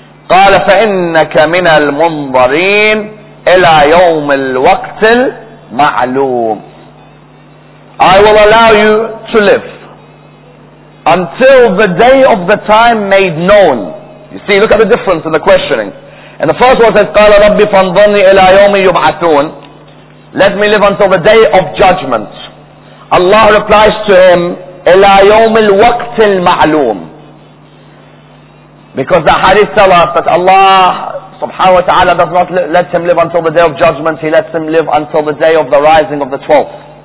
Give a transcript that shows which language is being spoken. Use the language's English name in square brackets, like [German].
[Arabic] قَالَ فَإِنَّكَ مِنَ الْمُنْظَرِينَ إِلَىٰ يَوْمِ الْوَقْتِ الْمَعْلُومِ. [English] I will allow you to live until the day of the time made known. You see, look at the difference in the questioning. In the first one says, [Arabic] قَالَ رَبِّ فَانْظَرْنِي إِلَىٰ يَوْمِ يُبْعَثُونَ. [English] Let me live until the day of judgment. Allah replies to him, [Arabic] إِلَىٰ يَوْمِ الْوَقْتِ الْمَعْلُومِ. [English] Because the hadith tell us that Allah subhanahu wa ta'ala does not let him live until the day of judgment, he lets him live until the day of the rising of the 12th.